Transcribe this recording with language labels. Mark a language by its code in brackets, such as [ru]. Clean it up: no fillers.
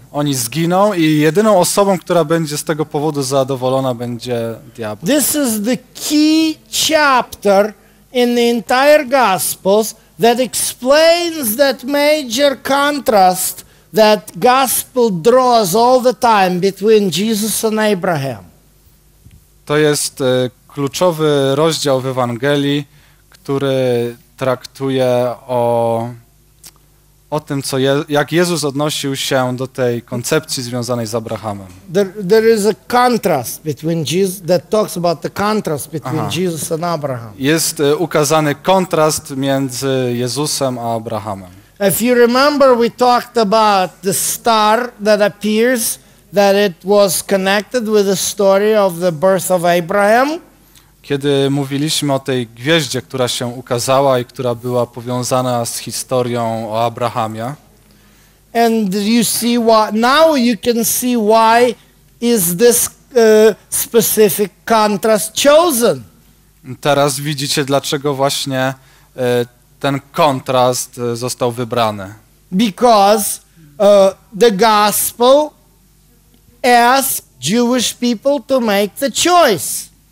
[pl] Oni zginą i jedyną osobą, która będzie z tego powodu zadowolona, będzie diabeł. [en] This is the key chapter in the entire Gospels that explains that major contrast that Gospel draws all the time between Jesus and Abraham. [pl] To jest kluczowy rozdział w Ewangelii, który traktuje o tym, co jak Jezus odnosił się do tej koncepcji związanej z Abrahamem. [en] There is a contrast between Jesus that talks about the contrast between Jesus and Abraham. [pl] Jest ukazany kontrast między Jezusem a Abrahamem. [en] If you remember, we talked about the star that appears, that it was connected with the story of the birth of Abraham. [pl] Kiedy mówiliśmy o tej gwieździe, która się ukazała i która była powiązana z historią o Abrahamie. [en] And you see why, now you can see why is this specific contrast chosen. [pl] Teraz widzicie, dlaczego właśnie ten kontrast został wybrany. [en] Because the gospel asks Jewish people to make the choice.